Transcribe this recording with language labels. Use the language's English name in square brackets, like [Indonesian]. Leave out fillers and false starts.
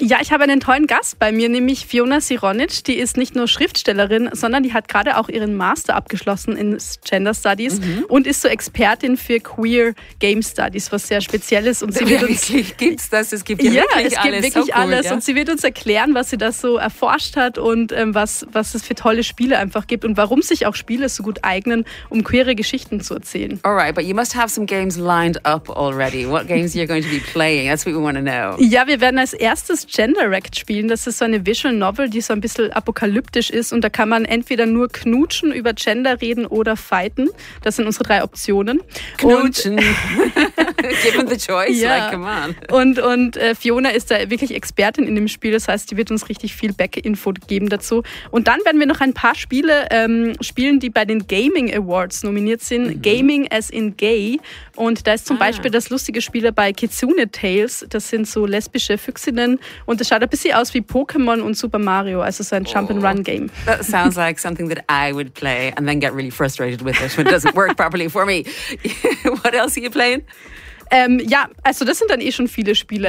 [German] Ja, ich habe einen tollen Gast bei mir, nämlich Fiona Sironic. Die ist nicht nur Schriftstellerin, sondern die hat gerade auch ihren Master abgeschlossen in Gender Studies und ist so Expertin für Queer Game Studies, was sehr speziell ist. Und sie wird uns Es gibt wirklich alles. Und sie wird uns erklären, was sie da so erforscht hat und was es für tolle Spiele einfach gibt und warum sich auch Spiele so gut eignen, um queere Geschichten zu erzählen. [English] Alright, but you must have some games lined up already. What games are you going to be playing? That's what we want to know. [German] Ja, wir werden als erstes Gender Wrecked spielen. Das ist so eine Visual Novel, die so ein bisschen apokalyptisch ist und da kann man entweder nur knutschen, über Gender reden oder fighten. Das sind unsere drei Optionen. [English] Knutschen. Given the choice, ja. Like, come on. [German] Und Fiona ist da wirklich Expertin in dem Spiel. Das heißt, die wird uns richtig viel Back-Info geben dazu. Und dann werden wir noch ein paar Spiele spielen, die bei den Gaming Awards nominiert sind. Mhm. [English] Gaming as in gay. [German] Und da ist zum Beispiel das lustige Spiel bei Kitsune Tales. Das sind so lesbische Füchsinnen. Und das schaut ein bisschen aus wie Pokémon und Super Mario. Also so ein Jump-and-Run-Game. [English] That sounds like something that I would play and then get really frustrated with it when it doesn't work properly for me. What else are you playing? [German] Ja, also das sind dann eh schon viele Spiele.